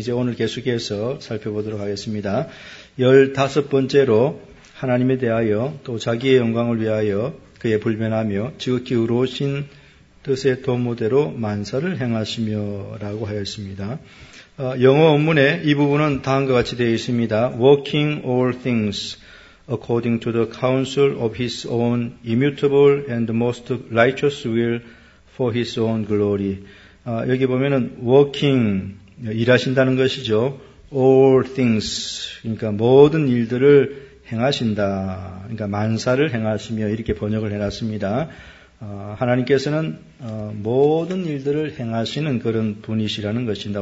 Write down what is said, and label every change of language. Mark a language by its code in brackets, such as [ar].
[ko] 이제 오늘 계속해서 살펴보도록 하겠습니다. 15번째로 하나님에 대하여 또 자기의 영광을 위하여 그의 불변하며 지극히 의로우신 뜻의 도모대로 만사를 행하시며라고 하였습니다. 영어 원문에 이 부분은 다음과 같이 되어 있습니다. [en] Working all things according to the counsel of his own immutable and most righteous will for his own glory. [ko] 여기 보면은 working, 일하신다는 것이죠. [en] all things, [ko] 그러니까 모든 일들을 행하신다. 그러니까 만사를 행하시며 이렇게 번역을 해놨습니다. 하나님께서는 모든 일들을 행하시는 그런 분이시라는 것입니다.